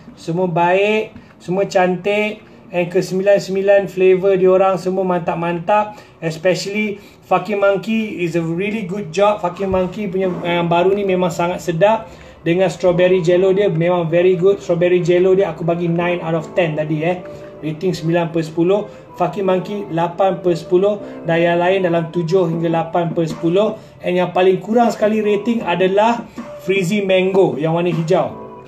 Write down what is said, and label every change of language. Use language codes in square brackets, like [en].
[ms] Semua baik, semua cantik. And ke-9 flavor diorang semua mantap-mantap. [en] Especially, Fucking Monkey is a really good job. [ms] Fucking Monkey punya yang baru ni memang sangat sedap. Dengan strawberry jello dia memang [en] very good. [ms] Strawberry jello dia aku bagi [en] 9 out of 10 [ms] tadi eh. Rating 9/10. Fucking Monkey 8/10. Dan yang lain dalam 7-8/10. And yang paling kurang sekali rating adalah Frizzy Mango yang warna hijau.